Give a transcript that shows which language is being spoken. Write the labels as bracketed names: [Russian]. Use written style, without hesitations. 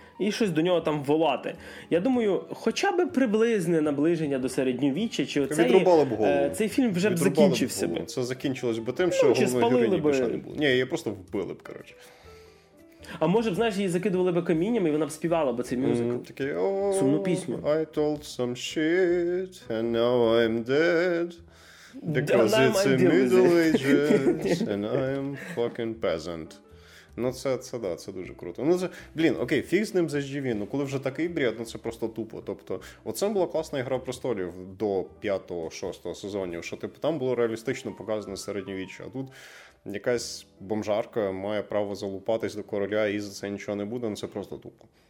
[Ukrainian] і щось до нього там волати. Я думаю, хоча б приблизне наближення до середньовіччя, чи оцей, цей фільм вже б закінчився б. Це закінчилось би тим, що головної героїні б не було. Ні, її просто вбили б, коротше. А може б, знаєш, її закидували б камінням, і вона б співала б цей мюзикл. Такий, сумну пісню. [English] I told some shit, and now I'm dead. Because it's a middle ages, and I'm fucking peasant. [Ukrainian] Ну це да, це дуже круто. Ну це, блін, окей, фіг з ним за живі, ну коли вже такий бред, ну це просто тупо. Тобто, оце була класна «Гра престолів» до 5-6 сезонів, що типу, там було реалістично показано середньовіччя, а тут якась бомжарка має право залупатись до короля і за це нічого не буде, ну це просто тупо.